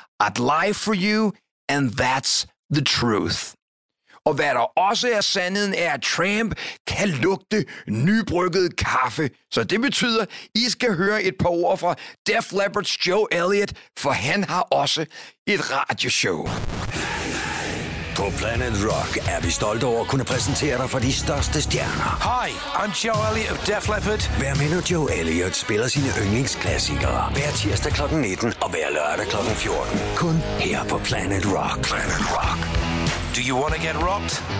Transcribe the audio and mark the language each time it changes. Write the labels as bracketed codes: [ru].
[en] I'd lie for you, and that's the truth. [da] Og hvad der også er sandheden, er, at Tramp kan lugte nybrygget kaffe. Så det betyder, I skal høre et par ord fra Def Leppard's Joe Elliott, for han har også et radioshow. På Planet Rock er vi stolte over at kunne præsentere dig for de største stjerner. [en] Hi, I'm Joe Elliott of Def Leppard. [da] Hver mandag Joe Elliott spiller sine yndlingsklassikere. Hver tirsdag kl. 19 og hver lørdag kl. 14. Kun her på Planet Rock. Planet Rock. [en] Do you want to get rocked?